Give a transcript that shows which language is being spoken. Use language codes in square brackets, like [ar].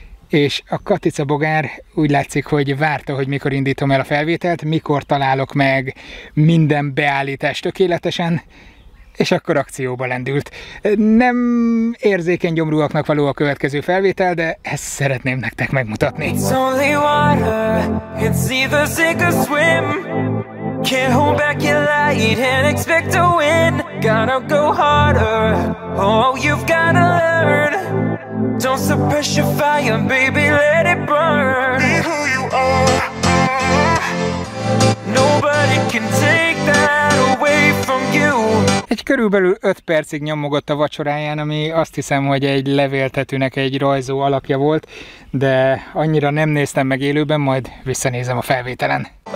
[hu] És a katicabogár úgy látszik, hogy várta, hogy mikor indítom el a felvételt, mikor találok meg minden beállítást tökéletesen, és akkor akcióba lendült. Nem érzékeny gyomrúaknak való a következő felvétel, de ezt szeretném nektek megmutatni. [en] It's only water, it's either sink or swim. Can't hold back your light and expect to win. Gotta go harder, oh you've gotta learn. Don't suppress your fire, baby, let it burn. Be who you are. Nobody can take that away from you. [hu] Egy körülbelül 5 percig nyomogott a vacsoráján, ami azt hiszem, hogy egy levéltetőnek egy rajzó alakja volt, de annyira nem néztem meg élőben, majd visszanézem a felvételen.